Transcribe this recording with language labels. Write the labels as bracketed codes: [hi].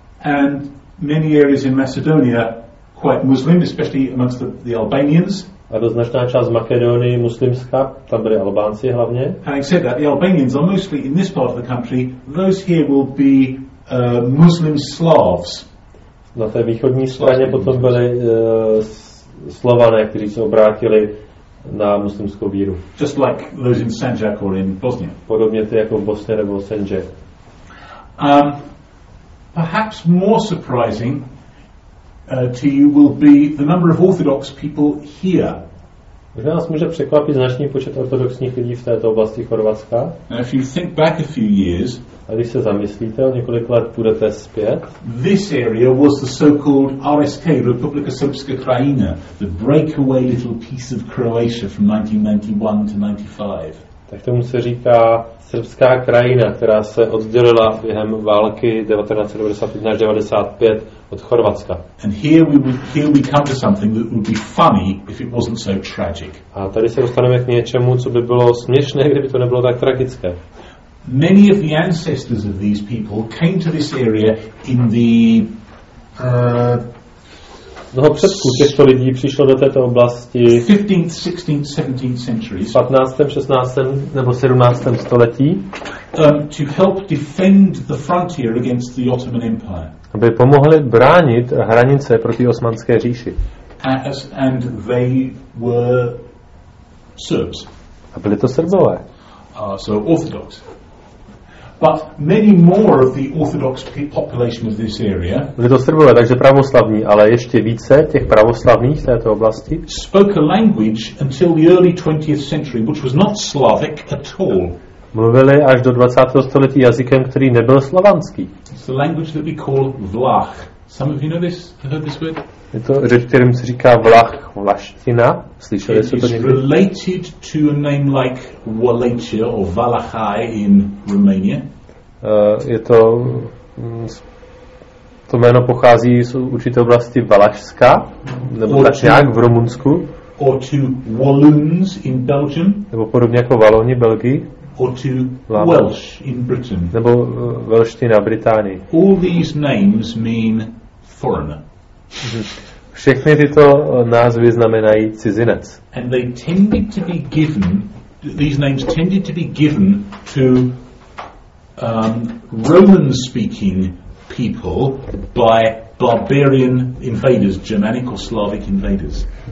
[en] And many areas in Macedonia quite Muslim, especially amongst the Albanians. [cs] A do značná část Makedonie muslimská, tam byli Albánci hlavně. [en] And except that, the Albanians are mostly in this part of the country, those here will be Muslim Slavs. [cs] Na té východní straně potom byly Slované, kteří se obrátili na muslimskou víru. [en] Just like those in Sanjak or in Bosnia. [cs] Podobně to jako v Bosně nebo Sanjak. [en] Perhaps more surprising to you will be the number of Orthodox people here. [cs] Možná nás může překvapit značný počet ortodoxních lidí v této oblasti Chorvatska. [en] If you think back a few years, [cs] a když se zamyslíte, o několik let půjdete zpět. [en] This area was the so-called RSK, Republika Srpska Krajina, the breakaway little piece of Croatia from 1991 to 95. [cs] Tak tomu se říká Srbská krajina, která se oddělila během války 1995 až 95 od Chorvatska. [en] And here we come to something that would be funny if it wasn't so tragic. [cs] A tady se dostaneme k něčemu, co by bylo směšné, kdyby to nebylo tak tragické. [en] Many of the ancestors of these people came to this area in the [cs] mnoho předků těchto lidí přišlo do této oblasti [en] 15th, 16th, 17th centuries. [cs] 15. 16. nebo 17. století. [en] To help defend the frontier against the Ottoman Empire. [cs] Aby pomohli bránit hranice proti Osmanské říši. [en] And they were Serbs. [cs] A byli to Srbové. [en] So Orthodox. But many more of the Orthodox population of this area. [cs] Byli to Srbové, takže pravoslavní, ale ještě více těch pravoslavných v této oblasti. [en] Spoke a language until the early 20th century, which was not Slavic at all. [cs] Mluvili až do 20. století jazykem, který nebyl slovanský. [en] It's the language that we call Vlach. Some of you know this, heard this word? [cs] Je to řeč, kterým se říká Vlach, Vlaština. Slyšeli jste to někdy? [en] Related to a name like Valachia or Valachai in Romania. [cs] Je to to jméno pochází z určité oblasti Valašska, nebo tak nějak v Rumunsku. [en] Or to Walloons in Belgium. [cs] Nebo podobně jako Valoni, Belgii. [en] or to Lama. Welsh in Britain. [cs] Nebo velština v Británii. [en] All these names mean foreigner. [cs] Všechny tyto názvy znamenají cizinec. [en] And they tended to be given, these names tended to be given to Roman-speaking people by barbarian invaders, Germanic or Slavic invaders.